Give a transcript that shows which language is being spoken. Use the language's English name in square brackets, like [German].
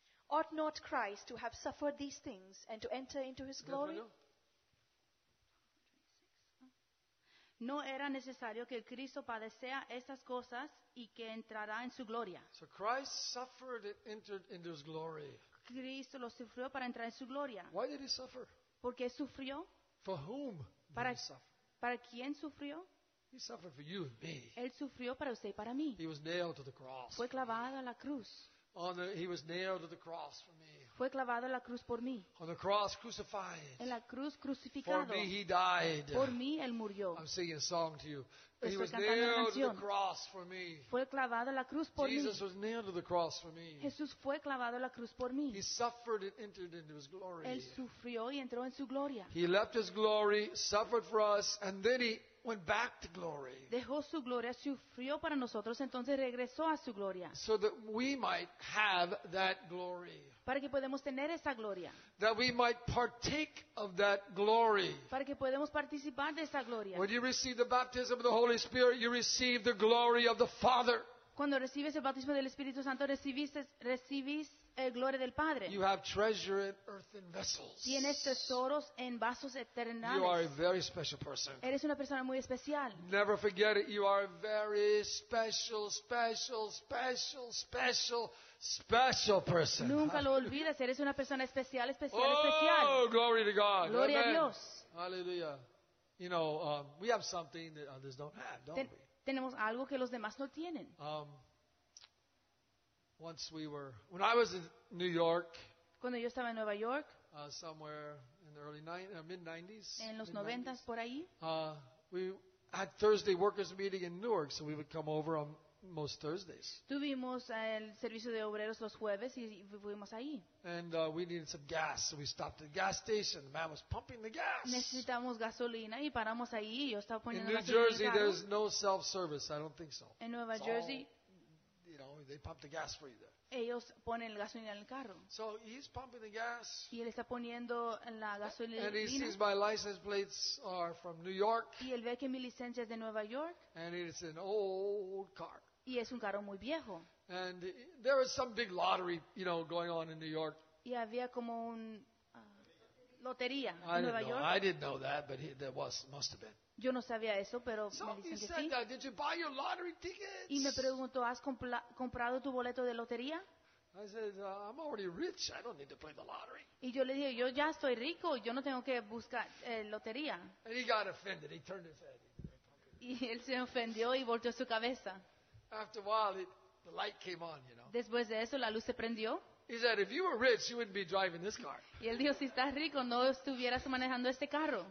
[English] Ought not Christ to have suffered these things and to enter into his glory? [Spanish] No era necesario que el Cristo padeciera estas cosas y que entrara en su gloria. [English] So Christ suffered and entered into his glory. [Spanish] Cristo lo sufrió para entrar en su gloria. [English] Why did he suffer? [Spanish] ¿Por qué sufrió? [English] For whom did he suffer? [Spanish] ¿Para quién sufrió? [English] He suffered for you and me. [Spanish] Él sufrió para usted y para mí. [English] He was nailed to the cross. [Spanish] Fue clavado a la cruz. [English] He was nailed to the cross for me. [Spanish] Fue clavado a la cruz por mí. [English] On the cross, crucified. [Spanish] En la cruz, crucificado. [English] For me, he died. [Spanish] Por mí, él murió. [English] I'm singing a song to you. [Spanish] Estoy [English] he was nailed to the cross for me. [Spanish] Fue clavado a la cruz por [English] Jesus Jesus was nailed to the cross for me. [Spanish] Jesús fue clavado a la cruz por mí. [English] He suffered and entered into his glory. [Spanish] Él sufrió y entró en su gloria. [English] He left his glory, suffered for us, and then he went back to glory. [Spanish] Dejó su gloria, sufrió para nosotros, entonces regresó a su gloria. [English] So that we might have that glory. [Spanish] Para que podamos tener esa gloria. [English] That we might partake of that glory. [Spanish] Para que podamos participar de esa gloria. [English] When you receive the baptism of the Holy Spirit, you receive the glory of the Father. [Spanish] Cuando recibes el bautismo del Espíritu Santo, recibís la gloria del Padre. [English] You have treasure in earthen vessels. [Spanish] Tienes tesoros en vasos eternales. [English] You are a very special person. [Spanish] Eres una persona muy especial. [English] Never forget it. You are very special, special, special, special, special person. [Spanish] Nunca lo olvides. Eres una persona especial, especial, oh, especial. [English] Oh, glory to God. [Spanish] Gloria [English] Amen. [Spanish] A Dios. [English] Hallelujah. You know, we have something that others don't have, don't we? [Spanish] Tenemos algo que los demás no tienen. [English] When I was in New York, [Spanish] cuando yo estaba en Nueva York, [English] somewhere in the early mid-90s, [Spanish] en los noventas por ahí, [English] we had Thursday workers meeting in Newark, so we would come over on most Thursdays. [Spanish] Tuvimos el servicio de obreros los jueves y fuimos ahí. [English] And we needed some gas, so we stopped at the gas station. The man was pumping the gas. [Spanish] Necesitamos gasolina y paramos ahí. Yo estaba poniendo gasolina. [English] In New Jersey, there's no self-service. I don't think so. [Spanish] En Nueva Jersey, [English] you know, they pump the gas for you there. [Spanish] Ellos ponen la gasolina en el carro. [English] So he's pumping the gas. [Spanish] Y él está poniendo la gasolina. [English] And he sees my license plates are from New York. [Spanish] Y él ve que mi licencia es de Nueva York. [English] And it's an old car. [Spanish] Y es un carro muy viejo. [English] And there was some big lottery, you know, going on in New York. [Spanish] Y había como un lotería en Nueva York. [English] I didn't know that, but there was must have been. [Spanish] Yo no sabía eso, pero [English] so [Spanish] me dicen [English] he [Spanish] que [English] said [Spanish] sí. [English] That. Did you buy your lottery tickets? [Spanish] Y me preguntó, ¿has comprado tu boleto de lotería? [English] I said, I'm already rich. I don't need to play the lottery. [Spanish] Y yo le dije, yo ya estoy rico. Yo no tengo que buscar lotería. [English] And he got offended. He turned his head. [Spanish] Y él se ofendió y volteó su cabeza. [English] After a while, the light came on, you know. [Spanish] Después de eso, la luz se prendió. [English] He said, if you were rich, you wouldn't be driving this car. [Spanish] Y él dijo, si estás rico, no estuvieras manejando este carro.